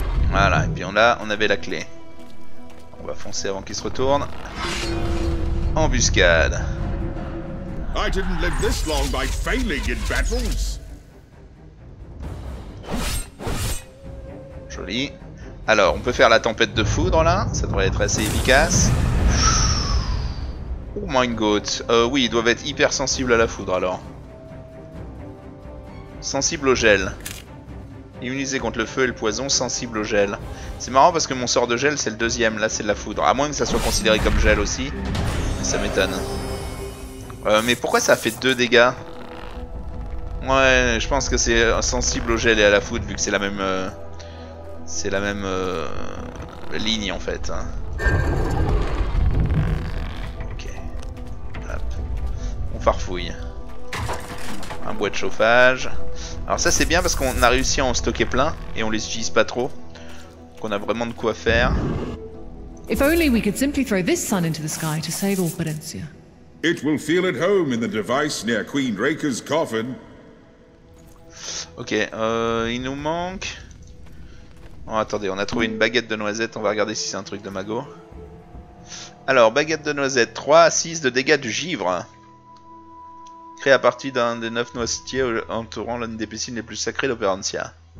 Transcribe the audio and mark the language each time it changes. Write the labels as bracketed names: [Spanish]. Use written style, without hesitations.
[French] Voilà, et puis on avait la clé. On va foncer avant qu'il se retourne. Embuscade. [English] I didn't live this long by failing in battles. [French] Joli. Alors, on peut faire la tempête de foudre là, ça devrait être assez efficace. [English] Oh my god, [French] oui, ils doivent être hyper sensibles à la foudre alors. Sensible au gel. Immunisé contre le feu et le poison, sensible au gel. C'est marrant parce que mon sort de gel c'est le deuxième, là c'est de la foudre. À moins que ça soit considéré comme gel aussi. Ça m'étonne. Mais pourquoi ça a fait deux dégâts? Ouais, je pense que c'est sensible au gel et à la foudre vu que c'est la même... C'est la même ligne en fait. Ok. Hop. On farfouille. Un bois de chauffage. Alors ça c'est bien parce qu'on a réussi à en stocker plein et on les utilise pas trop. Donc on a vraiment de quoi faire. [English] If only we could simply throw this sun into the sky to save all Perencia. It will feel at home in the device near Queen Draker's coffin. [French] Ok, il nous manque. Oh, attendez, on a trouvé une baguette de noisette, on va regarder si c'est un truc de magot. Alors, baguette de noisette, 3 à 6 de dégâts du givre. Créé à partir d'un des 9 noisetiers entourant l'une des piscines les plus sacrées d'Operantia.